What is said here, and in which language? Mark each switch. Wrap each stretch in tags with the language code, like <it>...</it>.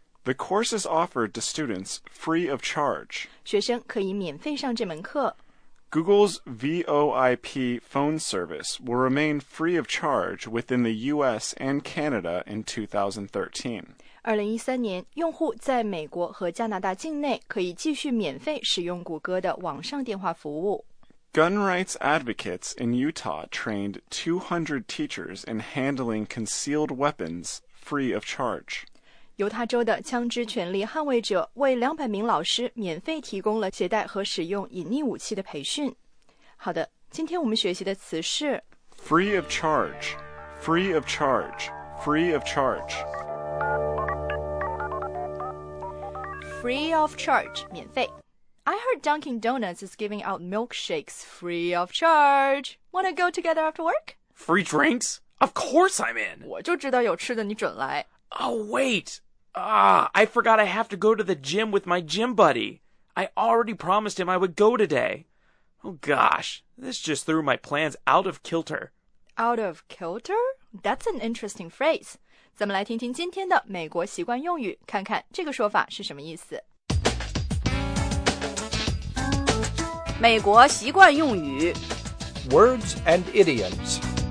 <en>The course is offered to students free of charge.</en> <zh>学生可以免费上这门课。</zh> <en>Google's VoIP phone service will remain free of charge within the U.S. and Canada in 2013.</en> <zh>2013年，用户在美国和加拿大境内可以继续免费使用谷歌的网上电话服务。</zh> <en>Gun rights advocates in Utah trained 200 teachers in handling concealed weapons free of charge.</en> <zh>犹他州的枪支权利捍卫者为200名老师免费提供了携带和使用隐匿武器的培训。好的，今天我们学习的词是</zh> <en>free of charge, free of charge, free of charge. Free of charge, 免费。I heard Dunkin' Donuts is giving out milkshakes free of charge. Wanna go together after work? Free drinks? Of course I'm in!</en> <zh>我就知道有吃的你准来。</zh> <en>Oh, wait! I forgot I have to go to the gym with my gym buddy. I already promised him I would go today. Oh gosh, this just threw my plans out of kilter. Out of kilter? That's an interesting phrase.</en> <zh>咱们来听听今天的美国习惯用语，看看这个说法是什么意思。美国习惯用语</zh> <en>Words and idioms</en>